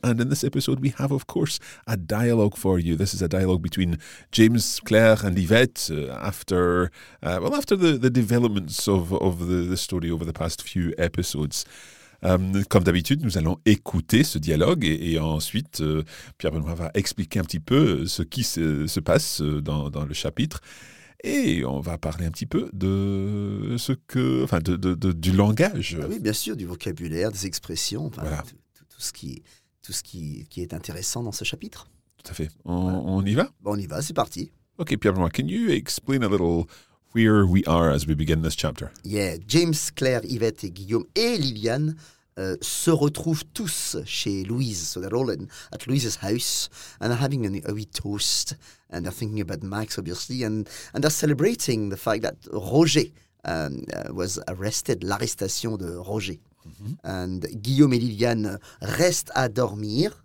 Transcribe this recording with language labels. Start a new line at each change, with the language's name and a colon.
English: And in this episode, we have, of course, a dialogue for you. This is a dialogue between James, Claire and Yvette after the developments of the story over the past few episodes.
French: Comme d'habitude, nous allons écouter ce dialogue et ensuite Pierre Benoît va expliquer un petit peu ce qui se passe dans le chapitre et on va parler un petit peu du langage. Ah oui, bien sûr, du vocabulaire, des expressions, enfin, voilà. tout ce qui est intéressant dans ce chapitre. Tout à fait. On y va ? Bon, on y va, c'est parti.
English: Ok, Pierre Benoît, can you explain a little where we are as we begin this chapter?
French: Yeah, James, Claire, Yvette et Guillaume et Liliane se retrouvent tous chez Louise.
English: So they're all at Louise's house and they're having a wee toast and they're thinking about Max, obviously, and they're celebrating the fact that Roger was arrested,
French: l'arrestation de Roger. Mm-hmm. And Guillaume et Liliane restent à dormir.